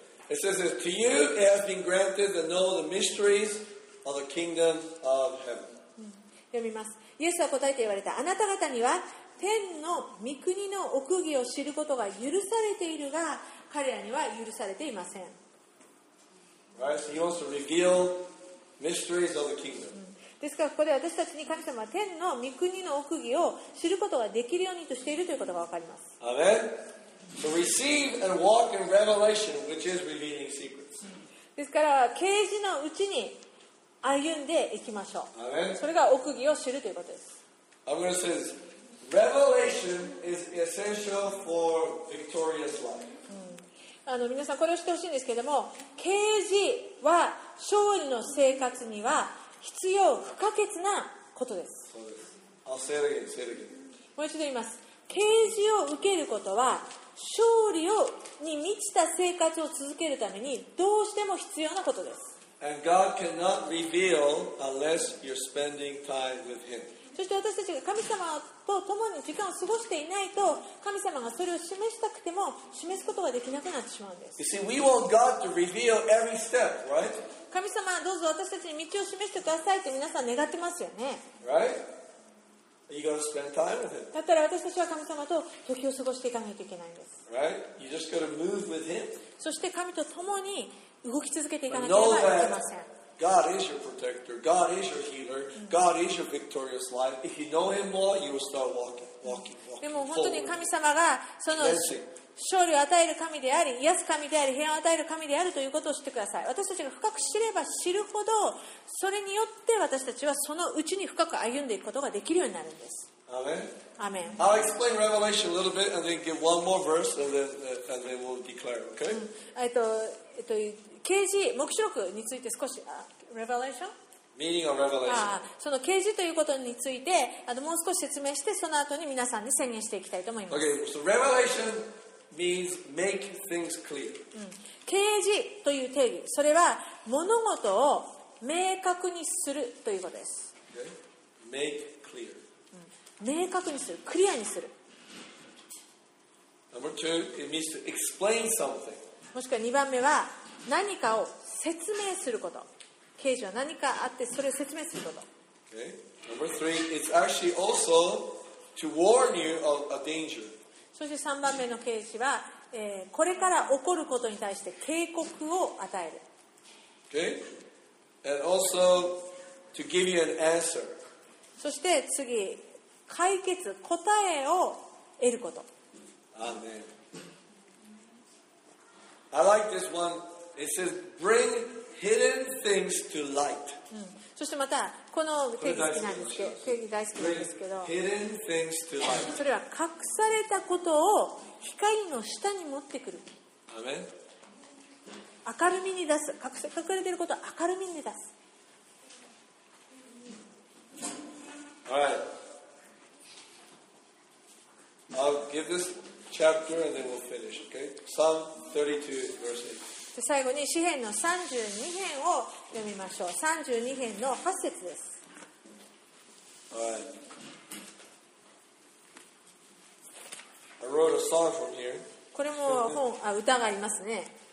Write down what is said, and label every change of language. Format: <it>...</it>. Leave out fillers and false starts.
<en>It says this, To you it has been granted to know the mysteries. Of the kingdom of heaven.</en> <ja>読みます。イエスは答えて言われた。あなた方には天の御国の奥義を知ることが許されているが、彼らには許されていません。</ja> <en>Right, so、he wants to reveal mysteries of the kingdom.</en> <ja>ですからここで私たちに神様は天の御国の奥義を知ることができるようにとしているということがわかります。</ja> <en>Amen. So receive and walk in revelation, which is revealing secrets.</en> <ja>ですから啓示のうちに歩んでいきましょう。それが奥義を知るということです。</ja> <en>I'm going to say this. Revelation is essential for victorious life.</en> <ja>あの皆さんこれを知ってほしいんですけれども、啓示は勝利の生活には必要不可欠なことです。そうです。</ja> <en>I'll say it again. Say it again.</en> <ja>もう一度言います。啓示を受けることは勝利をに満ちた生活を続けるためにどうしても必要なことです。</ja> <en>And God cannot reveal unless you're spending time with Him.</en> <ja>そして私たちが神様と共に時間を過ごしていないと、神様がそれを示したくても示すことができなくなってしまうんです。</ja> <en>You see, we want God to reveal every step, right?</en> <ja>神様どうぞ私たちに道を示してくださいって皆さん願ってますよね。</ja> <en>Right? Are you going to spend time with Him?</en> <ja>だったら私たちは神様と時を過ごしていかないといけないんです。</ja> <en>Right? You just got to move with Him.</en> <ja>そして神と共に動き続けていかなければいけません。</ja> <en>But know that God is your protector. God is your healer. God is your victorious life. If you know Him more, you will start walking.</en> <ja>でも本当に神様がその勝利を与える神であり、癒す神であり、平安を与える神であるということを知ってください。私たちが深く知れば知るほど、それによって私たちはそのうちに深く歩んでいくことができるようになるんです。</ja> <en>Amen. Amen. I'll explain Revelation a little bit and then give one more verse and then we'll declare, okay?</en> <ja>啓示、黙示録について少し、Revelation?</ja> <en>Meaning of revelation.</en> <ja>ああその啓示ということについてあのもう少し説明してその後に皆さんに宣言していきたいと思います。</ja> <en>Okay, so revelation means make things clear.</en> <ja>啓示という定義、それは物事を明確にするということです。</ja> <en>Okay. Make clear.</en> <ja>明確にする、クリアにする。</ja> <en>Number two, it means to explain something.</en> <ja>もしくは2番目は何かを説明すること。啓示は何かあってそれを説明すること。</ja> <en>Okay. Number three, it's actually also to warn you of a danger.</en> <ja>そして3番目の啓示は、これから起こることに対して警告を与える。</ja> <en>Okay. And also to give you an answer.</en> <ja>そして次、解決、答えを得ること。</ja> <en>Amen. I like this one. It says, bring hidden things to light.</en> <ja>そしてまたこの定義好きなんですけど、定義大好きなんですけど、</ja> <en>hidden things to light.</en> <ja>それは隠されたことを光の下に持ってくる。アメン。明るみに出す。隠れていることを明るみに出す。</ja> <en>Alright. I'll give this chapter and then we'll finish. Okay. Psalm 32 verse 8.</en> <ja>最後に詩編の32編を読みましょう。 32編の8節です。</ja> <en>I wrote a song from here.</en> <ja>これも本あ歌がありますね。</ja>